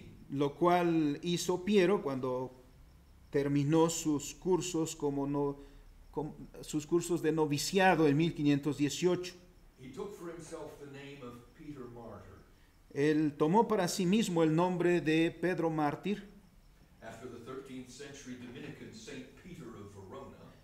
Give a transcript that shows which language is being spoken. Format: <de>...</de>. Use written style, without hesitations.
<es>Lo cual hizo Piero cuando terminó sus cursos de noviciado en 1518.</es> <en>He took for himself the name of Peter Martyr.</en> <es>Él tomó para sí mismo el nombre de Pedro Mártir.</es> <en>After the 13th century Dominican Saint Peter of Verona.</en>